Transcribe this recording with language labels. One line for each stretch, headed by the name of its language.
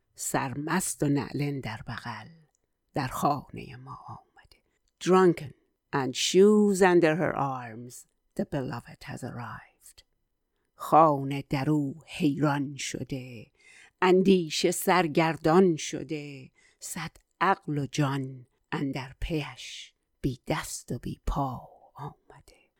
Persian: سرمست و نعلن در بغل در خانه ما آمده.
English: Drunken and shoes under her arms, the beloved has arrived.
Persian: خانه درو حیران شده، اندیشه سرگردان شده، صد عقل و جان اندر پیش بی دست و بی پا آمده.